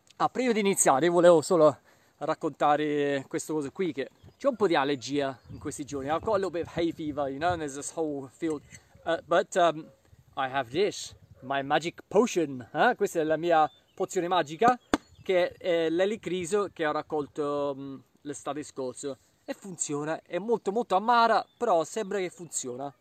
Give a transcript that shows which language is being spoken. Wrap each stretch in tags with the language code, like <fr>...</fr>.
<it>Prima di iniziare, volevo solo raccontare questa cosa qui che c'è un po' di allergia in questi giorni.</it> <en>I've got a little bit of hay fever, you know, and there's this whole field. But I have this, my magic potion. Eh?</en> <it>Questa è la mia pozione magica, che è l'elicriso che ho raccolto l'estate scorsa. E funziona, è molto molto amara, però sembra che funziona.</it>